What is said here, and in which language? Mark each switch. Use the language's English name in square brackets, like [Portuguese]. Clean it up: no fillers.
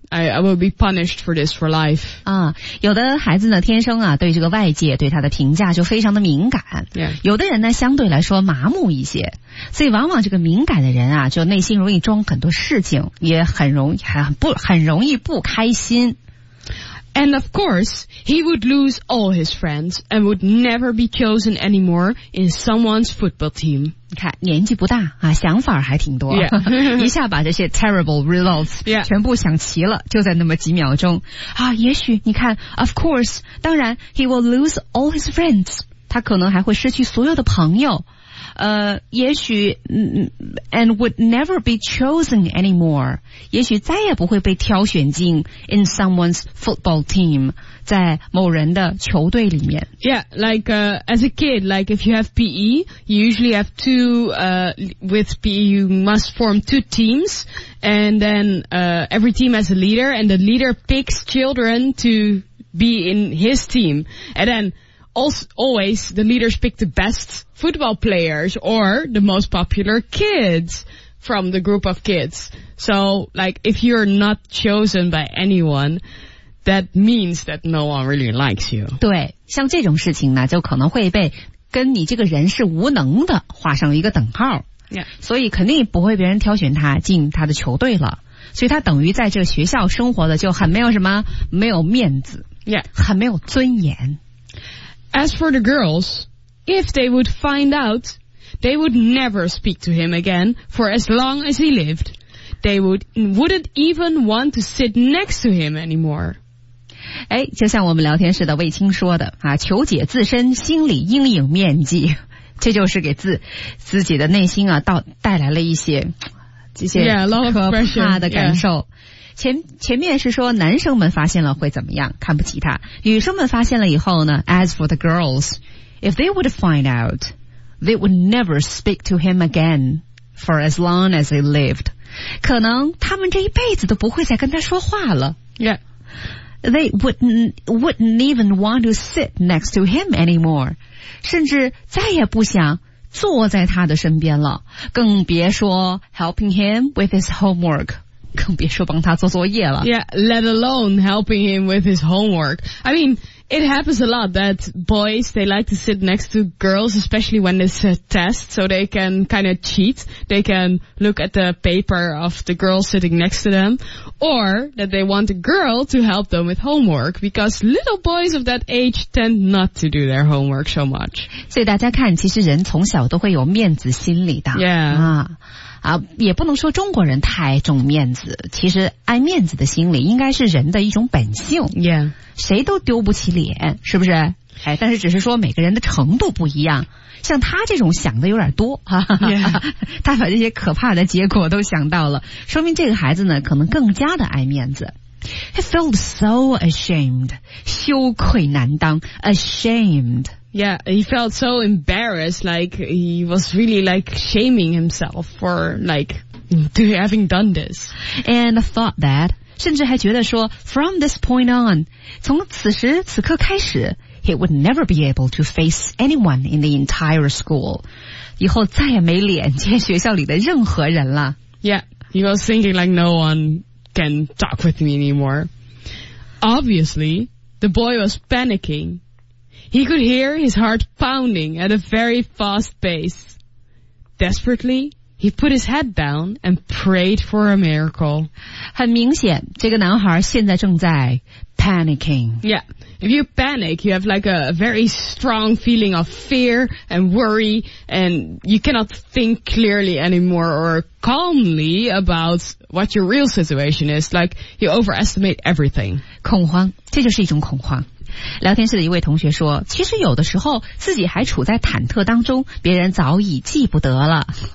[English] I will be punished for this for life. [Chinese] 啊，有的孩子呢，天生啊，对这个外界对他的评价就非常的敏感。 [English] Yeah. [Chinese] 有的人呢，相对来说麻木一些，所以往往这个敏感的人啊，就内心容易装很多事情，也很容易很容易不开心。 [English] And of course, he would lose all his friends and would never be chosen anymore in someone's football team. [Chinese] 你看，年纪不大啊，想法还挺多。 [English] Yeah. [Chinese] 一下把这些 [English] terrible results [Chinese] 全部想齐了、 [English] yeah. [Chinese] 就在那么几秒钟。啊，也许你看 , [English] of course, [Chinese] 当然 , [English] he will lose all his friends. [Chinese] 他可能还会失去所有的朋友。 [English] 也许 and would never be chosen anymore. [Chinese] 也许再也不会被挑选进 [English] in someone's football team, [Chinese] 在某人的球队里面。 [English] Yeah, like, as a kid, like if you have PE, you usually have two, with PE you must form two teams, and then, every team has a leader, and the leader picks children to be in his team. And then,Always, the leaders pick the best football players or the most popular kids from the group of kids. So, like, if you're not chosen by anyone, that means that no one really likes you. [Chinese] 对，像这种事情呢，就可能会被跟你这个人是无能的画上一个等号。 [English] Yeah. [Chinese] 所以肯定不会别人挑选他进他的球队了。所以他等于在这个学校生活的就很没有什么，没有面子。 [English] Yeah. [Chinese] 很没有尊严。 [English] As for the girls, if they would find out, they would never speak to him again for as long as he lived. They wouldn't even want to sit next to him anymore. [Chinese] 哎，就像我们聊天时的卫青说的啊，求解自身心理阴影面积，这就是给自己的内心啊带来了一些这些可怕的感受。 [English] Yeah, [Chinese] 前面是说男生们发现了会怎么样，看不起他。女生们发现了以后呢 [English] ，As for the girls, if they would find out, they would never speak to him again for as long as they lived. [Chinese] 可能他们这一辈子都不会再跟他说话了。 [English] Yeah, they wouldn't even want to sit next to him anymore. [Chinese] 甚至再也不想坐在他的身边了，更别说 [English] helping him with his homework. [Chinese] 更别说帮他做作业了。 [English] Yeah, let alone helping him with his homework. I mean, it happens a lot that boys, they like to sit next to girls, especially when it's a test, so they can kind of cheat. They can look at the paper of the girl sitting next to them, or that they want a girl to help them with homework, because little boys of that age tend not to do their homework so much. [Chinese] 所以大家看，其实人从小都会有面子心理的。 [English] Yeah. [Chinese] 啊，也不能说中国人太重面子，其实爱面子的心理应该是人的一种本性。 [English] Yeah. [Chinese] 谁都丢不起脸，是不是？哎，但是只是说每个人的程度不一样，像他这种想的有点多，哈哈哈哈 yeah. 他把这些可怕的结果都想到了，说明这个孩子呢，可能更加的爱面子。 [English] He felt so ashamed, [Chinese] 羞愧难当 [English] ,ashamed. Yeah, he felt so embarrassed, like he was really like shaming himself for like having done this. And thought that, [Chinese] 甚至还觉得说 [English] from this point on, [Chinese] 从此时此刻开始 [English] he would never be able to face anyone in the entire school. [Chinese] 以后再也没脸见学校里的任何人了。 [English] Yeah, he was thinking like no one can talk with me anymore. Obviously, the boy was panicking. He could hear his heart pounding at a very fast pace. Desperately, he put his head down and prayed for a miracle. [Chinese] 很明显，这个男孩现在正在 panicking. [English] Yeah, if you panic, you have like a very strong feeling of fear and worry, and you cannot think clearly anymore or calmly about what your real situation is. Like, you overestimate everything. [Chinese] 恐慌，这就是一种恐慌。聊天室的一位同学说，其实有的时候自己还处在忐忑当中，别人早已记不得了。